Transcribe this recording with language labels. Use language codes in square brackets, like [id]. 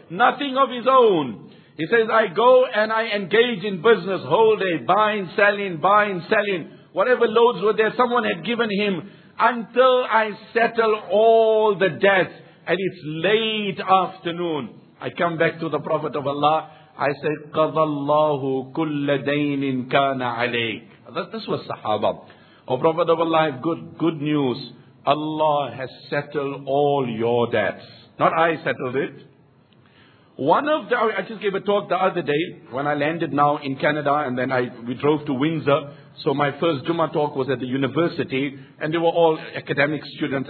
[en] Nothing of his own. He says, I go and I engage in business, whole day, buying, selling. Whatever loads were there, someone had given him. Until I settle all the debts, and it's late afternoon, I come back to the Prophet of Allah. I say, [ar] قَضَى اللَّهُ كُلَّ دَيْنٍ كَانَ عَلَيْكَ. [en] This was Sahaba. Oh Prophet of Allah, good news. Allah has settled all your debts. Not I settled it. I just gave a talk the other day when I landed now in Canada, and then we drove to Windsor. So my first Jummah talk was at the university, and they were all academic students.